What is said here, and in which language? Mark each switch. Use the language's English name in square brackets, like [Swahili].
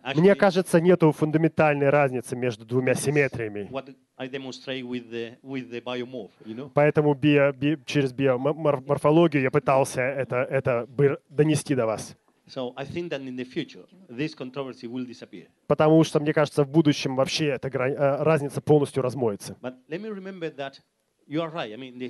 [Russian] Actually, мне кажется, нету фундаментальной разницы между двумя симметриями. [English] What I demonstrate with the biomorph, you know? [Russian] Поэтому через биоморфологию я пытался это донести до вас. [English] So I think that in the future this controversy will disappear. [Russian] Потому что мне кажется, в будущем вообще эта разница полностью размоется. [English] But let me remember that you are right. I mean, the